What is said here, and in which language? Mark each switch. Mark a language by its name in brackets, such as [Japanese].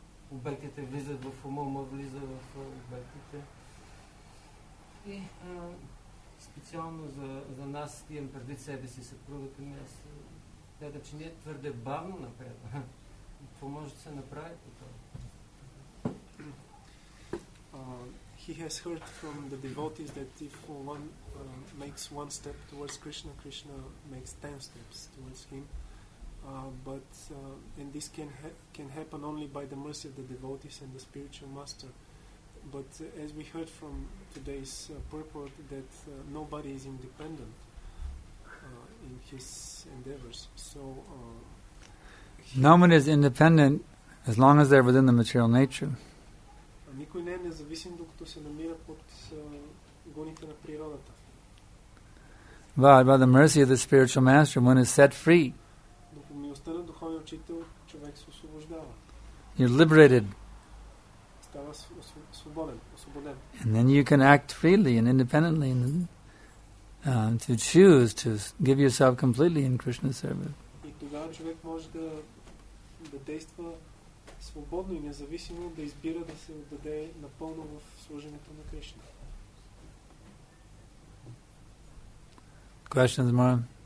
[Bulgarian] Обектите влизат в ума, ума влиза в обектите. И специално за нас имам предвид себе си, съпругата ми. Аз гледам, че ние твърде бавно напред. Какво може да се направи по това? [English] He has heard from the devotees that if one makes one step towards Krishna, Krishna makes 10 steps towards him. And this can happen only by the mercy of the devotees and the spiritual master. But as we heard from today's purport, that nobody is independent in his endeavors. So no one is independent as long as they're within the material nature. [Bulgarian] Никой не е независим, докато се намира под гоните на природата. [English] But by the mercy of the spiritual master, one is set free. [Bulgarian] По милостта на духовния учител, човек се освобождава. [English] You're liberated. [Bulgarian] Става свободен, освободен. [English] And then you can act freely and independently and to choose to give yourself completely in Krishna's service. [Bulgarian] И тогава човек може да действа свободно и независимо да избира да се отдаде напълно в служението на Кришна. [English] Questions, Mara?